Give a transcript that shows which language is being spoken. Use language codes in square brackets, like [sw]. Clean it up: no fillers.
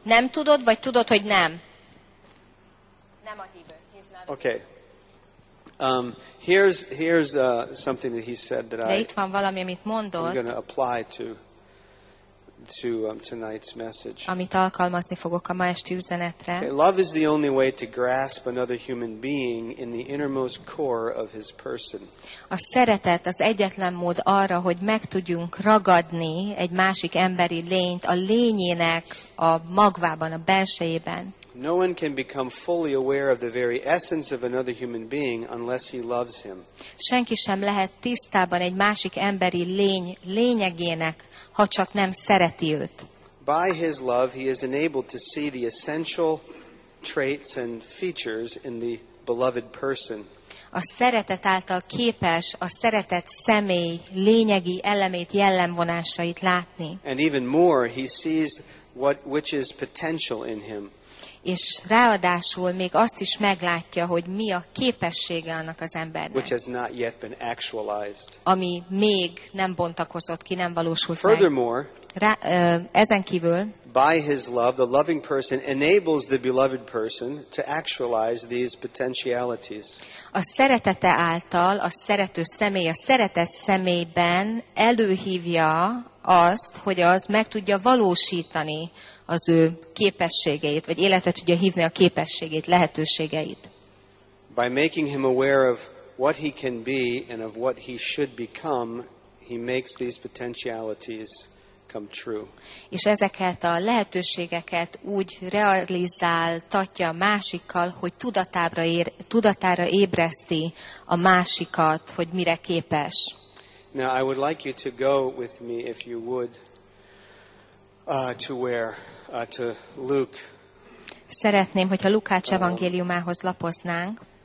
[hu] Nem tudod, vagy tudod, hogy nem? Nem a hívő. [en] He's not a okay. Here's something that he said that [hu] de itt van valami, amit mondott. [en] I'm going to apply to tonight's message. [hu] Amit alkalmazni fogok a ma esti üzenetre. [en] Okay, love is the only way to grasp another human being in the innermost core of his person. [hu] A szeretet az egyetlen mód arra, hogy meg tudjunk ragadni egy másik emberi lényt a lényének a magvában, a belsejében. [en] No one can become fully aware of the very essence of another human being unless he loves him. [hu] Senki sem lehet tisztában egy másik emberi lény lényegének, ha csak nem szereti őt. [en] By his love he is enabled to see the essential traits and features in the beloved person. [hu] A szeretet által képes a szeretet személy lényegi elemét, jellemvonásait látni. [en] And even more, he sees which is potential in him. [hu] És ráadásul még azt is meglátja, hogy mi a képessége annak az embernek. [en] Which has not yet been actualized. [hu] Ami még nem bontakozott ki, nem valósult [en] furthermore, [hu] meg. Ezen kívül, [en] by his love, the loving person enables the beloved person to actualize these potentialities. [hu] A szeretete által a szerető személy, a szeretett személyben előhívja azt, hogy az meg tudja valósítani az ő képességeit, vagy életet tudja hívni a képességét, lehetőségeit. [en] By making him aware of what he can be and of what he should become, he makes these potentialities come true. [hu] És ezeket a lehetőségeket úgy realizáltatja a másikkal, hogy tudatára ébreszti a másikat, hogy mire képes. [en] Now I would like you to go with me, if you would, to where? To Luke. [hu] Szeretném, hogyha Lukács evangéliumához lapoznánk.